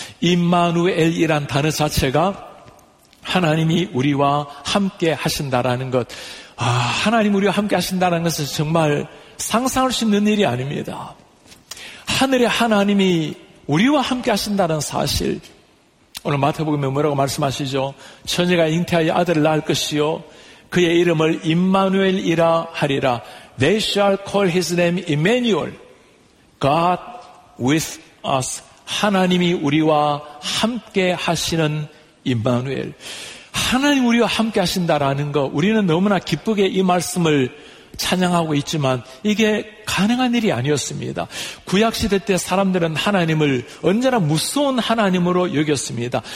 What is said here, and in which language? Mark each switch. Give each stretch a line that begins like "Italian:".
Korean: 임마누엘이란 단어 자체가 하나님이 우리와 함께 하신다라는 것, 하나님 우리와 함께 하신다는 것은 정말 상상할 수 있는 일이 아닙니다. 하늘의 하나님이 우리와 함께 하신다는 사실, 오늘 마태복음에 뭐라고 말씀하시죠? 처녀가 잉태하여 아들을 낳을 것이요 그의 이름을 임마누엘이라 하리라.
English: They shall call his name Emmanuel, God with us.
Korean: 하나님이 우리와 함께 하시는 임마누엘. 하나님 우리와 함께 하신다라는 것, 우리는 너무나 기쁘게 이 말씀을 찬양하고 있지만 이게 가능한 일이 아니었습니다. 구약시대 때 사람들은 하나님을 언제나 무서운 하나님으로 여겼습니다.